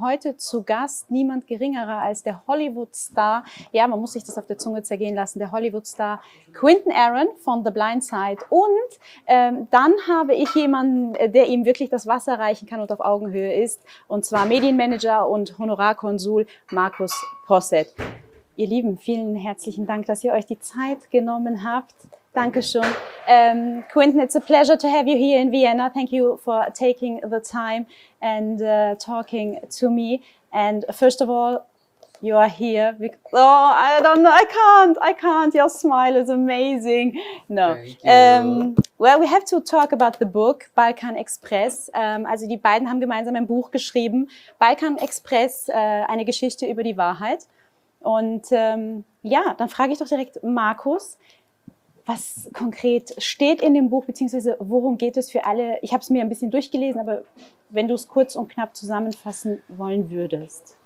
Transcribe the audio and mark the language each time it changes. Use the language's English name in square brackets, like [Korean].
[German] Heute zu Gast niemand geringerer als der Hollywood-Star, ja, man muss sich das auf der Zunge zergehen lassen, der Hollywood-Star Quentin Aaron von The Blind Side. Und dann habe ich jemanden, der ihm wirklich das Wasser reichen kann und auf Augenhöhe ist, und zwar Medienmanager und Honorarkonsul Markus Posset. Ihr Lieben, vielen herzlichen Dank, dass ihr euch die Zeit genommen habt. Dankeschön. [English] Quentin, it's a pleasure to have you here in Vienna. Thank you for taking the time and talking to me. And first of all, you are here. I can't. Your smile is amazing. No. Well, we have to talk about the book, Balkan Express. [German] Also die beiden haben gemeinsam ein Buch geschrieben. Balkan Express, eine Geschichte über die Wahrheit. Und ja, dann frage ich doch direkt Markus. Was konkret steht in dem Buch, beziehungsweise worum geht es für alle? Ich habe es mir ein bisschen durchgelesen, aber wenn du es kurz und knapp zusammenfassen wollen würdest.